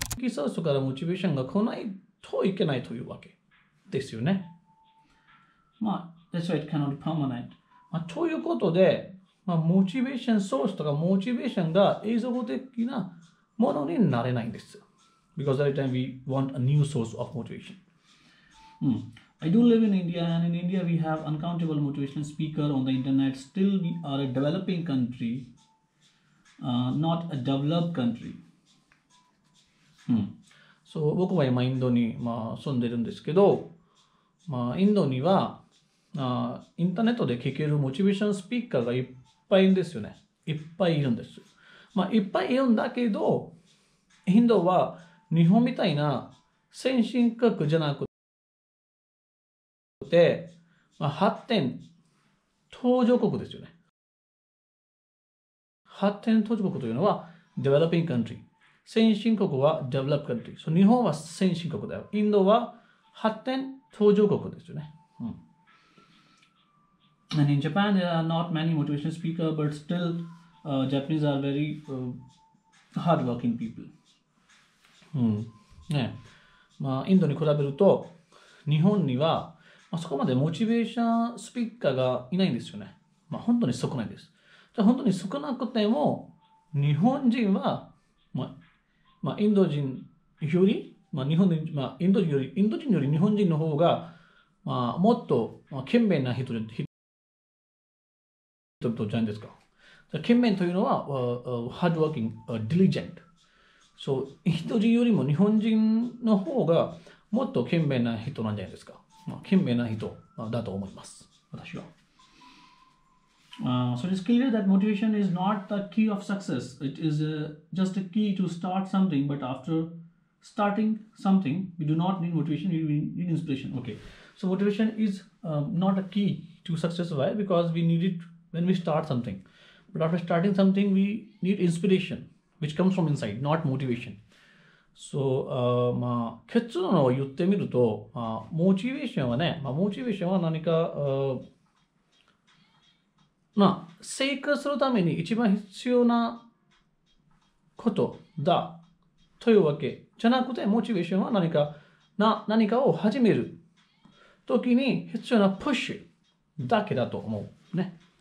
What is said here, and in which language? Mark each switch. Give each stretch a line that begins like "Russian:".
Japanese: ソースからモチベーションが来ないといけないというわけですよね。
English: まあ、that's why it cannot be permanent.
Japanese: まあ、ということで、まあ、モチベーションソースとかモチベーションが永続的なものになれないんです。
English: Because every time we want a new source of motivation. I do live in India and in India we have uncountable motivational speaker on the internet. Still we are a developing country, not a developed country.
Japanese: そう僕は今インドに、まあ、住んでるんですけど、まあ、インドにはインターネットで聞けるモチベーションスピーカーがいっぱいいるんですよね。いっぱいいるんです、まあ、いっぱいいるんだけどインドは日本みたいな先進国じゃなくて、まあ、発展途上国ですよね。発展途上国というのはデベロッピングカントリー、先進国は
English: developed country。
Japanese: So, 日本は先進国だよ。インドは発展途上国ですよね。
English: And in Japan, there are not many motivation speakers, but still, Japanese are very hardworking people.
Japanese: ね。まあ、インドに比べると、日本には、まあ、そこまでモチベーションスピーカーがいないんですよね。まあ、本当に少ないです。じゃ本当に少なくても、日本人は、まあまあ、インド人より、まあ、日本人、まあ、インド人より、インド人より日本人の方が、まあ、もっと、まあ、懸命な人々じゃないですか。懸命というのは、
English: hard working, diligent.
Japanese: So, インド人よりも日本人の方が、もっと懸命な人なんじゃないですか。まあ、懸命な人だと思います。私は。
English: So it's clear that motivation is not the key of success. It is just a key to start something, but after starting something, we do not need motivation, we need inspiration. Okay. So motivation is not a key to success. Why? Because we need it when we start something. But after starting something, we need inspiration, which comes from inside, not motivation.
Japanese: So, まあ、結論を言ってみると、まあ、モチベーションはね、まあ、モチベーションは何か、まあ、成功するために一番必要なことだというわけじゃなくて、モチベーションは何か、何かを始めるときに必要なプッシュだけだと思う。ね。